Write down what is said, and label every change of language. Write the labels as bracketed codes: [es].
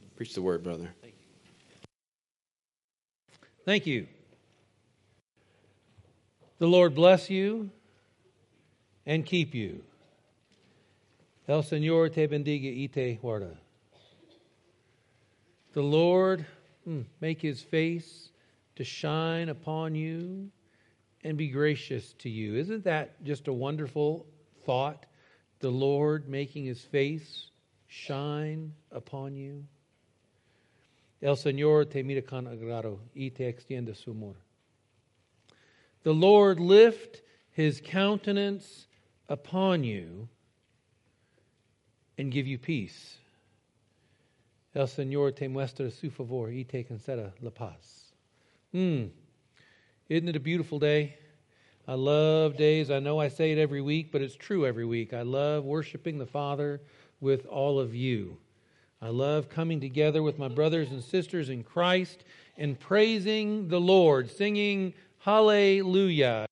[en] Preach the word, brother. Thank you. The Lord bless you and keep you. [es] El Señor te bendiga y te guarda. [en] The Lord make his face to shine upon you and be gracious to you. Isn't that just a wonderful thought? The Lord making his face shine upon you. [es] El Señor te mira con agrado y te extiende su amor. [en] The Lord lift his countenance upon you and give you peace. [es] El Señor te muestra su favor y te concede la paz. [en] Isn't it a beautiful day? I love days. I know I say it every week, but it's true every week. I love worshiping the Father with all of you. I love coming together with my brothers and sisters in Christ and praising the Lord, singing hallelujah.